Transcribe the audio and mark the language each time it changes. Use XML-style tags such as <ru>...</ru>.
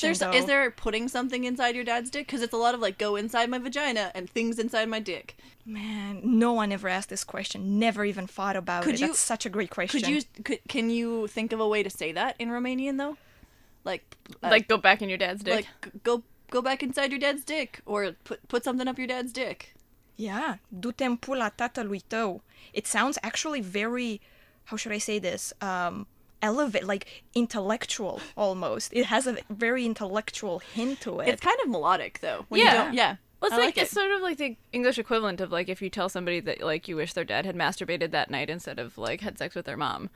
<en>Is there putting something inside your dad's dick? Because it's a lot of like, go inside my vagina and things inside my dick. Man, no one ever asked this question. Never even thought about it. That's such a great question. Can you think of a way to say that in Romanian though? Like, go back in your dad's dick. Like, go back inside your dad's dick, or put something up your dad's dick.</en> <ro>Yeah, du-te în pula tatălui tău.</ro> <en>It sounds actually very, how should I say this? Elevate, like intellectual almost. It has a very intellectual hint to it. It's kind of melodic though. It's sort of like the English equivalent of like if you tell somebody that like you wish their dad had masturbated that night instead of like had sex with their mom.</en>